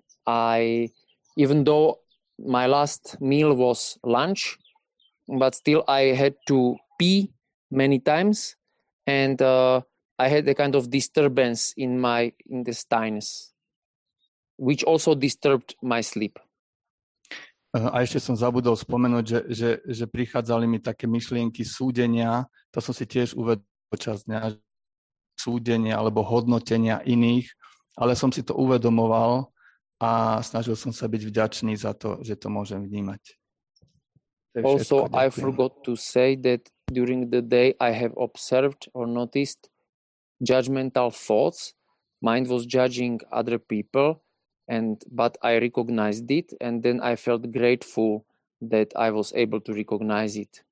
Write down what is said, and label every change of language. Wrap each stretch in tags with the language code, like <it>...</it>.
<en>I, even though my last meal was lunch, but still I had to pee many times and I had a kind of disturbance in my intestines, which also disturbed my sleep.</en> <sk>A ešte som zabudol spomenúť, že prichádzali mi také myšlienky súdenia, to som si tiež uvedol počas dňa, súdenia alebo hodnotenia iných, ale som si to uvedomoval a snažil som sa byť vďačný za to, že to môžem vnímať.</sk> <en>Also, I forgot to say that during the day I have observed or noticed judgmental thoughts. Mind was judging other people, but I recognized it, and then I felt grateful that I was able to recognize it.</en>